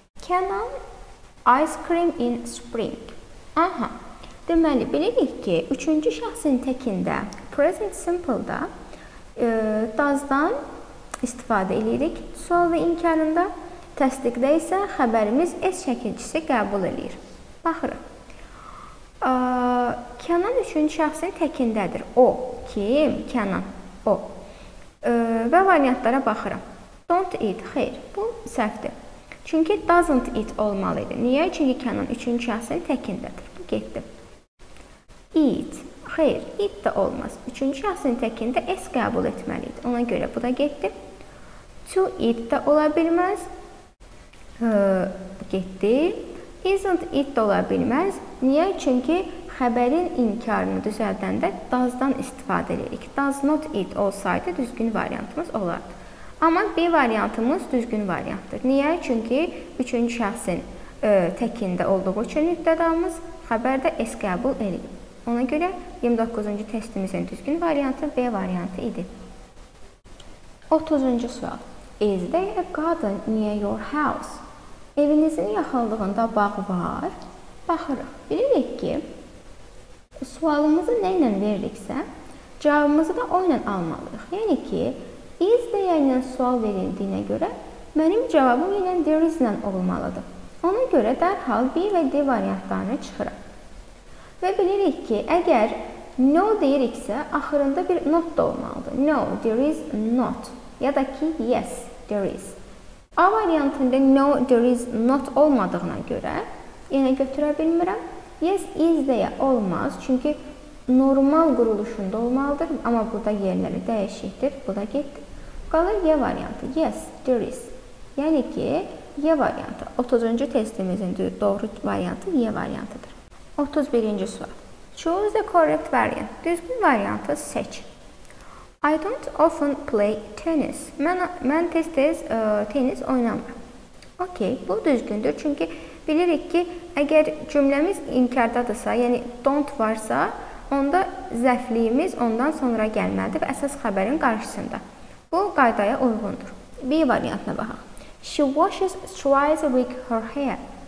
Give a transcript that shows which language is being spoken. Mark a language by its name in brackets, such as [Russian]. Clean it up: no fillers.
[English] Can I ice cream in spring? Aha. [Azerbaijani] Deməli, bilirik ki, 3-cü şəxsin təkində, present simple-da does-dan istifadə edirik. Sual-ı inkarında, təsdiqdə isə xəbərimiz S şəkilçisi qəbul edir. Baxırıq. Kenan 3-cü şəxsin təkindədir. O. Kim? Kenan. O. Və variantlara baxıram. [English] Don't eat. [Azerbaijani] Xeyr. Bu səhvdir. Çünki doesn't eat olmalıydı. Niyə? Çünki Kenan 3-cü şəxsin təkindədir. Bu getdi. Eat. Xeyr. Eat də olmaz. 3-cü şəxsin təkində S qəbul etməliydi. Ona görə bu da getdi. To eat də ola bilməz. Getdi. [English] Isn't it [Azerbaijani] də ola bilməz. Niyə? Çünki xəbərin inkarını düzəldəndə does-dan istifadə edirik. [English] Does not it [Azerbaijani] olsaydı düzgün variantımız olardı. Amma B variantımız düzgün variantdır. Niyə? Çünki 3-cü şəxsin təkində olduğu üçün mübtədamız xəbərdə S qəbul edir. Ona görə 29-cu testimizin düzgün variantı B variantı idi. 30-cu sual. [English] Is there a garden near your house? [Azerbaijani] Evinizin yaxınlığında bağ var. Baxırıq. Bilirik ki, sualımızı nə ilə veririksə, cavabımızı da o ilə almalıyıq. Yəni ki, is deyə ilə sual verildiyinə görə, mənim cavabım ilə there is ilə olmalıdır. Ona görə dərhal B və D variantlarını çıxıram. Və bilirik ki, əgər no deyiriksə, axırında bir not da olmalıdır. [English] No, there is not. [Azerbaijani] Ya da ki, [English] yes, there is. [Azerbaijani] A variantında [English] no, there is not [Azerbaijani] olmadığına görə yenə götürə bilmirəm. [English] Yes, is [Azerbaijani] deyə olmaz. Çünki normal quruluşunda olmalıdır. Amma burada yerləri dəyişikdir. Bu da getdi. Qalır Y variantı. [English] Yes, there is. [Azerbaijani] Yəni ki, Y variantı. 30-cu testimizin doğru variantı Y variantıdır. 31-ci sual. [English] Choose the correct variant. [Azerbaijani] Düzgün variantı seç. [English] I don't often play tennis. [Azerbaijani] Mən tez-tez tennis oynamıram. Okey, bu düzgündür. Çünki bilirik ki, əgər cümləmiz inkardadırsa, yəni don't varsa, onda zəfliyimiz ondan sonra gəlməlidir və əsas xəbərin qarşısında. Bu qaydaya uyğundur. B variantına baxaq. [English] She washes twice a week her hair.